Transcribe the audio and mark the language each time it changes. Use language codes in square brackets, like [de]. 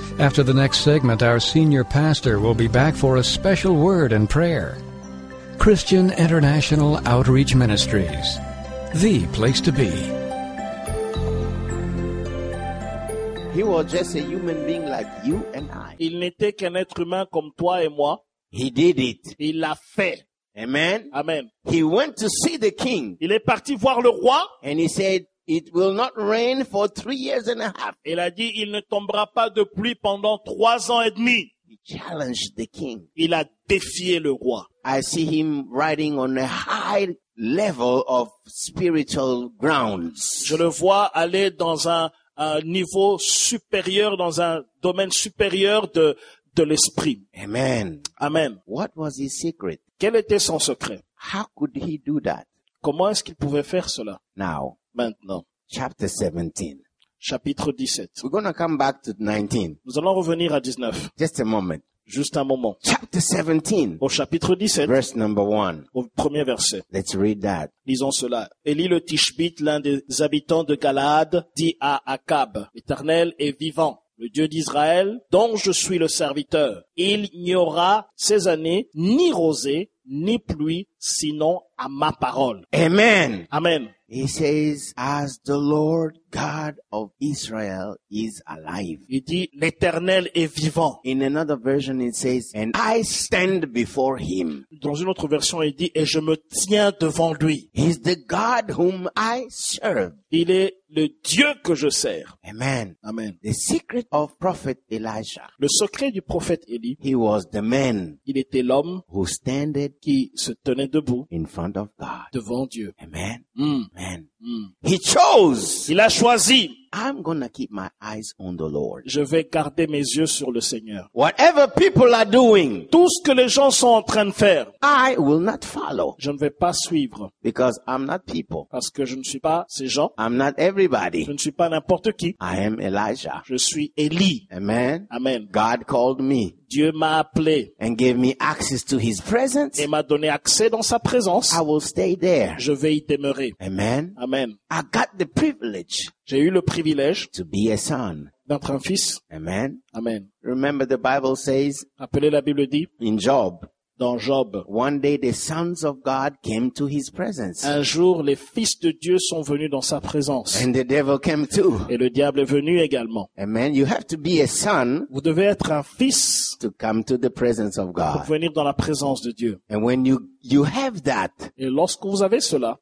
[en] After the next segment, our senior pastor will be back for a special word and prayer. Christian International Outreach Ministries, the place to be. He was just a human being like you and I. [fr] Il n'était qu'un être humain comme toi et moi. [en] He did it. [fr] Il l'a fait. [en] Amen. [fr] Amen. [en] He went to see the king. [fr] Il est parti voir le roi. [en] And he said, it will not rain for 3 years and a half. [fr] Il a dit, il ne tombera pas de pluie pendant 3 ans et demi. [en] He challenged the king. [fr] Il a défié le roi. [en] I see him riding on a high level of spiritual grounds. [fr] Je le vois aller dans un niveau supérieur, dans un domaine supérieur de l'esprit. [en] Amen. [fr] Amen. [en] What was his secret? [fr] Quel était son secret? [en] How could he do that? [fr] Comment est-ce qu'il pouvait faire cela? [en] Now. [fr] Maintenant. [en] Chapter 17. [fr] Chapitre 17. [en] We're going to come back to 19. [fr] Nous allons revenir à 19. [en] Just a moment. [fr] Juste un moment. [en] Chapter 17. [fr] Au chapitre 17. [en] Verse number 1. [fr] Au premier verset. [en] Let's read that. [fr] Lisons cela. Élie le Tishbite, l'un des habitants de Galaad, dit à Akab, l'Éternel est vivant, le Dieu d'Israël, dont je suis le serviteur. Il n'y aura ces années ni rosée, ni pluie, sinon à ma parole. [en] Amen. [fr] Amen. [en] He says, as the Lord God of Israel is alive. [fr] Il dit, l'Éternel est vivant. [en] In another version it says, and I stand before him. [fr] Dans une autre version il dit, et je me tiens devant lui. [en] He's the God whom I serve. [fr] Il est le Dieu que je sers. [en] Amen. [fr] Amen. [en] The secret of prophet Elijah. [fr] Le secret du prophète Élie. [en] He was the man. [fr] Il était l'homme. [en] Who standed. [fr] Qui se tenait debout. [en] In front of God. [fr] Devant Dieu. [en] Amen. [fr] Amen. [en] He chose. [fr] Il a choisi. [en] I'm gonna keep my eyes on the Lord. [fr] Je vais garder mes yeux sur le Seigneur. [en] Whatever people are doing. [fr] Tout ce que les gens sont en train de faire. [en] I will not follow. [fr] Je ne vais pas suivre. [en] Because I'm not people. [fr] Parce que je ne suis pas ces gens. [en] I'm not everybody. [fr] Je ne suis pas n'importe qui. [en] I am Elijah. [fr] Je suis Élie. [en] Amen. [fr] Amen. [en] God called me. [fr] Dieu m'a appelé. [en] And gave me access to his presence. [fr] Et m'a donné accès dans sa présence. [en] I will stay there. [fr] Je vais y demeurer. [en] Amen. [fr] Amen. [en] I got the privilege. [fr] J'ai eu le privilège [en] to be a son. [fr] D'être un fils. [en] Amen. [fr] Amen. [en] Remember the Bible says. [fr] Rappelez la Bible dit. [en] In Job. [fr] Dans Job. [en] One day the sons of God came to his presence. [fr] Un jour les fils de Dieu sont venus dans sa présence. [en] And the devil came too. [fr] Et le diable est venu également. [en] Amen. You have to be a son. [fr] Vous devez être un fils. [en] To come to the presence of God. [fr] Pour venir dans la présence de Dieu. [en] And when you have that. [fr] Et lorsque vous avez cela.